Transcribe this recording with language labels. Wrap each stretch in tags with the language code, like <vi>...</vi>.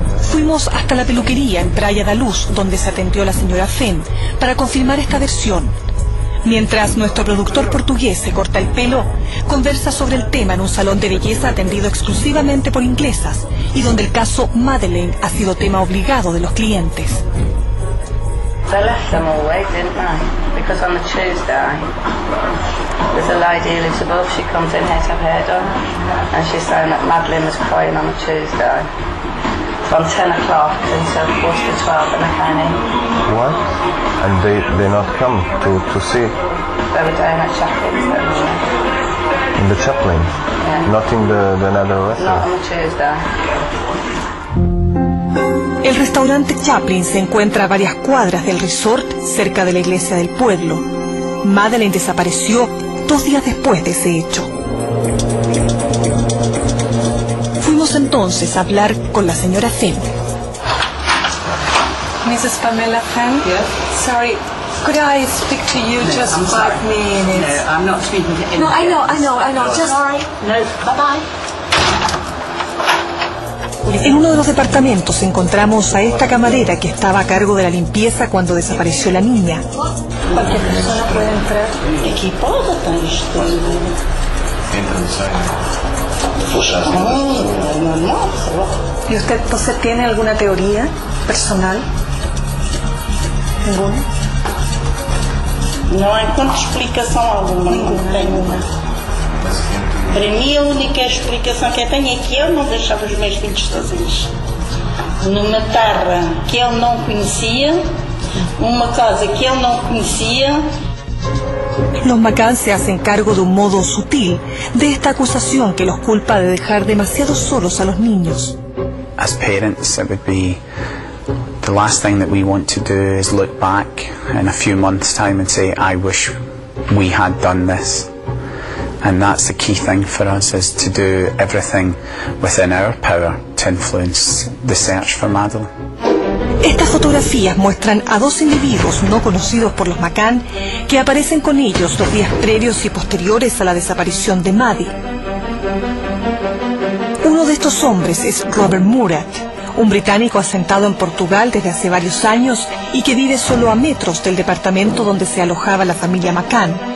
<es>Fuimos hasta la peluquería en Praia da Luz, donde se atendió la señora Fenn, para confirmar esta versión. Mientras nuestro productor portugués se corta el pelo, conversa sobre el tema en un salón de belleza atendido exclusivamente por inglesas y donde el caso Madeleine ha sido tema obligado de los clientes.</es> <en>I left them all late, didn't I? Because on the Tuesday, there's a lady who lives above, she comes in here to have hair done, and she's saying that Madeleine was crying on the Tuesday. From 10 o'clock until 11:45, and I came in. What? And they not come to see? They were down at Chaplin's. In the Chaplin's? Yeah. Not in the Nether restaurant? Not on the Tuesday.</en> <es>El restaurante Chaplin se encuentra a varias cuadras del resort, cerca de la iglesia del pueblo. Madeleine desapareció dos días después de ese hecho. Fuimos entonces a hablar con la señora Fenn.</es> <en>Mrs. Pamela Fenn? Yes. Sorry, could I speak to you just 5 minutes? No, I'm not speaking to anyone. No, I know. Just sorry. No. Bye-bye.</en> <es>En uno de los departamentos encontramos a esta camarera que estaba a cargo de la limpieza cuando desapareció la niña. ¿Cualquier persona puede entrar? ¿Equipo? ¿Y usted, José, tiene alguna teoría personal? ¿Ninguna? No encuentro explicación alguna. Ninguna.</es> <pt>Para mim, a única explicação que eu tenho é que eu não deixava os meus filhos sozinhos. Numa terra que ele não conhecia, uma casa que ele não conhecia.</pt> <es>Los McCann se hacen cargo de un modo sutil de esta acusación que los culpa de dejar demasiado solos a los niños.</es> <en>As parents, it would be the last thing that we want to do is look back in a few months' time and say, I wish we had done this. And that's the key thing for us, is to do everything within our power to influence the search for Madeleine.</en> <es>Estas fotografías muestran a dos individuos no conocidos por los McCann que aparecen con ellos los días previos y posteriores a la desaparición de Maddie. Uno de estos hombres es Robert Murat, un británico asentado en Portugal desde hace varios años y que vive solo a metros del departamento donde se alojaba la familia McCann.</es>